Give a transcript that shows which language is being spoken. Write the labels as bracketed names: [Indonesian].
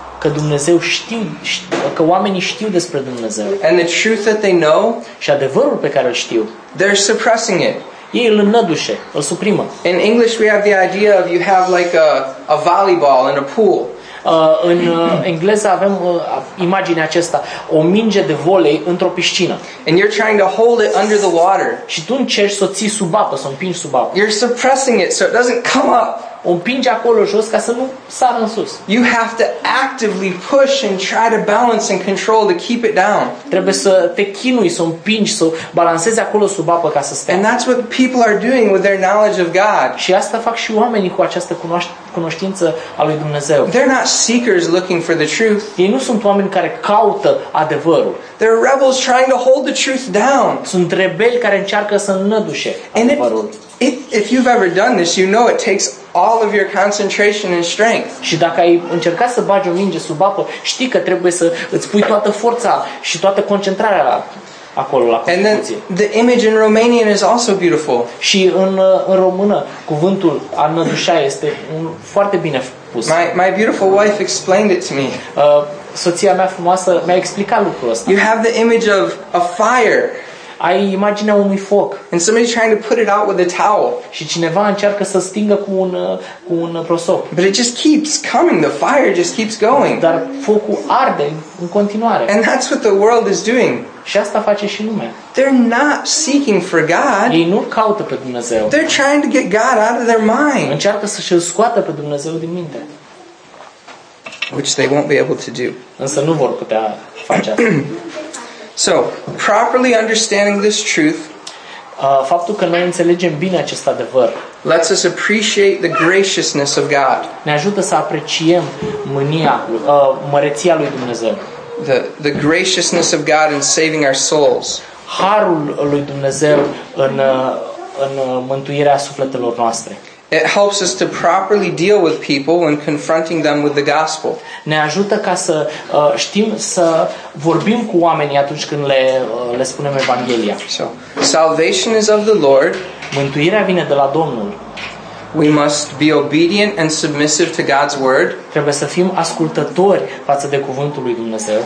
[Romanian] Că Dumnezeu știu, că oamenii știu despre Dumnezeu. [English] And the truth that they know, [Romanian] și adevărul pe care îl știu, [English] they're suppressing it. [Romanian] Ei îl înădușe, îl suprimă. [English] In English we have the idea of you have like a volleyball in a pool. [Romanian] În engleză avem imaginea aceasta, o minge de volei într-o piscină. [English] And you're trying to hold it under the water. [Romanian] Și tu încerci să o ții sub apă, să o împingi sub apă. [English] You're suppressing it so it doesn't come up. [Romanian] O împingi acolo jos ca să nu sară în sus. [English] You have to actively push and try to balance and control to keep it down. [Romanian] Trebuie să te chinui să o împingi, să balancezi acolo sub apă ca să stea. [English] And that's what people are doing with their knowledge of God. [Romanian] Și asta fac și oamenii cu această cunoștință a lui Dumnezeu. [English] They're not seekers looking for the truth. [Romanian] Ei nu sunt oameni care caută adevărul. [English] They're rebels trying to hold the truth down. [Romanian] Sunt rebeli care încearcă să înădușe adevărul. [English] If you've ever done this, you know it takes all of your concentration and strength. [Romanian] Și dacă ai încercat să bagi o minge sub apă, știi că trebuie să îți pui toată forța și toată concentrarea acolo la contribuție. [English] And then the image in Romanian is also beautiful. [Romanian] Și în română, cuvântul a nădușa este foarte bine pus. [English] My beautiful wife explained it to me. [Romanian] Soția mea frumoasă mi-a explicat lucrul ăsta. [English] You have the image of a fire. [Romanian] Ai imaginea unui foc. [English] And somebody's trying to put it out with a towel. [Romanian] Și cineva încearcă să stingă cu un prosop. [English] But it just keeps coming. The fire just keeps going. [Romanian] Dar focul arde în continuare. [English] And that's what the world is doing. [Romanian] Și asta face și lumea. [English] They're not seeking for God. [Romanian] Ei nu caută pe Dumnezeu. [English] They're trying to get God out of their mind. [Romanian] Încearcă să-și scoată pe Dumnezeu din minte. [English] Which they won't be able to do. [Romanian] Însă nu vor putea face asta. [English] So, properly understanding this truth, [Romanian] faptul că noi înțelegem bine acest adevăr, [English] lets us appreciate the graciousness of God. [Romanian] Ne ajută să apreciem mânia, măreția lui Dumnezeu. [English] The graciousness of God in saving our souls. [Romanian] Harul lui Dumnezeu în mântuirea sufletelor noastre. [English] It helps us to properly deal with people when confronting them with the gospel. [Romanian] Ne ajută ca să știm să vorbim cu oamenii atunci când le spunem Evanghelia. [English] So, salvation is of the Lord. [Romanian] Mântuirea vine de la Domnul. [English] We must be obedient and submissive to God's word. [Romanian] Trebuie să fim ascultători față de cuvântul lui Dumnezeu.